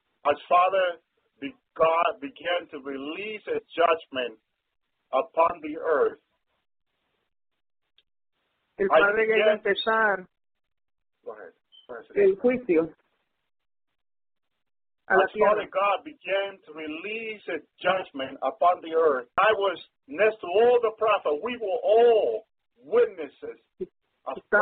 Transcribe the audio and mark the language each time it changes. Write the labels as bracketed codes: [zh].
[en] As Father God began to release His judgment upon the earth. [es] El Padre llega a empezar el juicio. [en] As Father God began to release His judgment upon the earth, I was next to all the prophets. We were all witnesses of God.